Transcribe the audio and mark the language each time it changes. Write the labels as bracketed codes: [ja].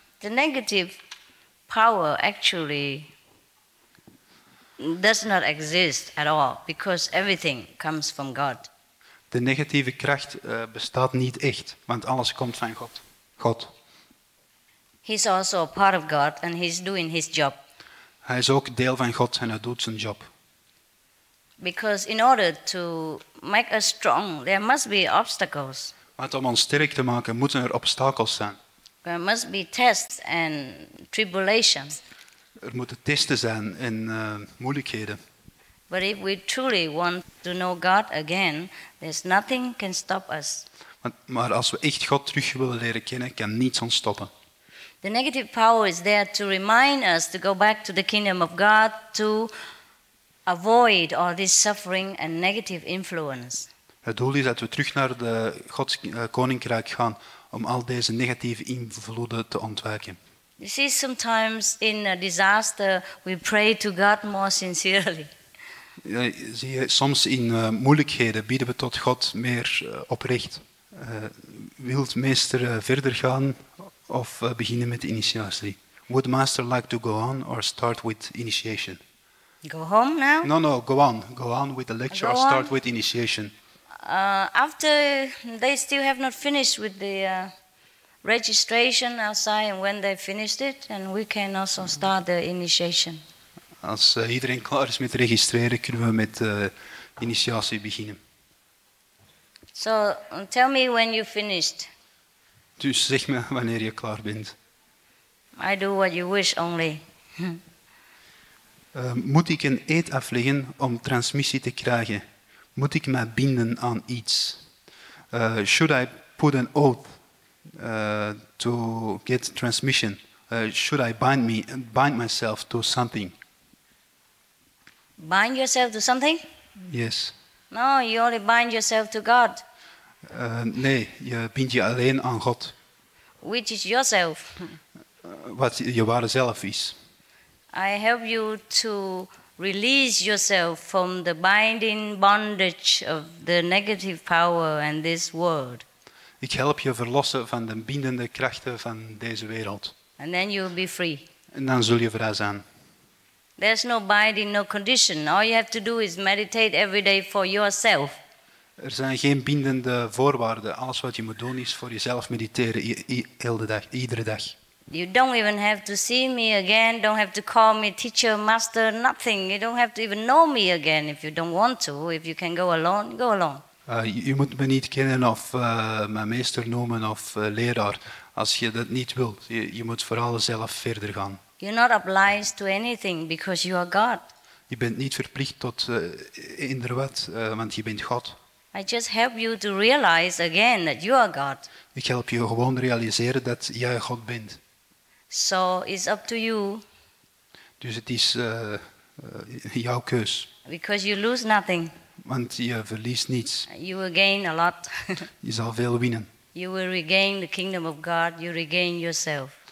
[en] The negative power actually does not exist at all, because everything comes from God. [nl] De negatieve kracht bestaat niet echt, want alles komt van God. God. [en] He's also a part of God and he's doing his job. [nl] Hij is ook deel van God en hij doet zijn job. [en] Because in order to make us strong, there must be obstacles. [nl] Want om ons sterk te maken, moeten er obstakels zijn. [en] There must be tests and tribulations. [nl] Er moeten testen zijn en moeilijkheden. [en] But if we truly want to know God again, there's nothing can stop us. [nl] Maar als we echt God terug willen leren kennen, kan niets ons stoppen. [en] The negative power is there to remind us to go back to the kingdom of God to avoid all this suffering and negative influence. [nl] Het doel is dat we terug naar de Gods koninkrijk gaan om al deze negatieve invloeden te ontwijken. [en] You see, sometimes in a disaster we pray to God more sincerely. [nl] Zie je, soms in moeilijkheden bieden we tot God meer oprecht. Wilt meester verder gaan of beginnen met initiatie? [en] Would master like to go on or start with initiation? Go home now? No, go on. Go on with the lecture or start with initiation. After they still have not finished with the registration outside, and when they finished it, and we can also start the initiation. [nl] Als iedereen klaar is met registreren, kunnen we met initiatie beginnen. [en] So tell me when you finished. [nl] Dus zeg me wanneer je klaar bent. [en] I do what you wish only. [nl] Moet ik een eed afleggen om transmissie te krijgen? Moet ik mij binden aan iets? [en] Should I put an oath to get transmission? Should I bind myself to something? Bind yourself to something? Yes. No, you only bind yourself to God. [nl] Nee, je bindt je alleen aan God. [en] Which is yourself. [nl] Wat je ware zelf is. [en] I help you to release yourself from the binding bondage of the negative power and this world. [nl] Ik help je verlossen van de bindende krachten van deze wereld. [en] And then you'll be free. [nl] En dan zul je vrij zijn. [en] There's no binding, no condition. All you have to do is meditate every day for yourself. [nl] Er zijn geen bindende voorwaarden. Alles wat je moet doen is voor jezelf mediteren, iedere dag. [en] You don't even have to see me again. Don't have to call me teacher, master, nothing. You don't have to even know me again if you don't want to. If you can go alone, go alone. [nl] Je moet me niet kennen of mijn meester noemen of leraar. Als je dat niet wilt, je moet vooral zelf verder gaan. [en] You're not obliged to anything because you are God. [nl] Je bent niet verplicht tot eender wat, want je bent God. [en] I just help you to realize again that you are God. [nl] Ik help je gewoon realiseren dat jij God bent. [en] So it's up to you. [nl] Dus het is jouw keus. [en] Because you lose nothing. [nl] Want je verliest niets. [en] You will gain a lot. [nl] Je zal veel winnen. [en] You will regain the kingdom of God. You regain yourself.